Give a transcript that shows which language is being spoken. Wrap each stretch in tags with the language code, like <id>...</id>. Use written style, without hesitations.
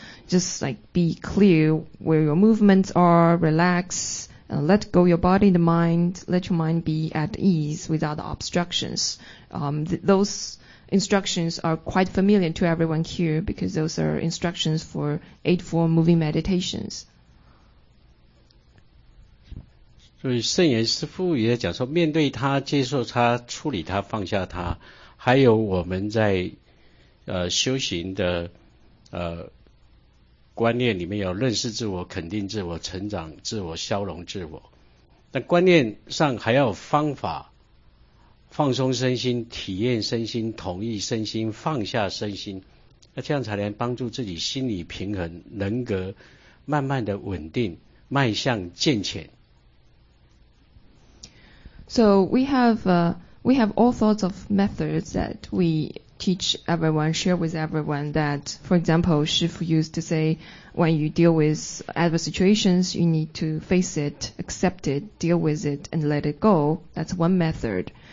<en>Just like be clear where your movements are, relax, let go your body and mind, let your mind be at ease without obstructions. Those instructions are quite familiar to everyone here because those are instructions for 8-4 moving meditations.</en> <zh>所以圣严师父也讲说，面对他，接受他，处理他，放下他，还有我们在修行的观念里面有认识自我、肯定自我、成长自我、消融自我，但观念上还要有方法，放松身心，体验身心，同意身心，放下身心，那这样才能帮助自己心理平衡，人格慢慢的稳定，迈向健全。</zh> <en>So we have all sorts of methods that we teach everyone, share with everyone that, for example, Shifu used to say, when you deal with adverse situations, you need to face it, accept it, deal with it, and let it go. That's one method.</en>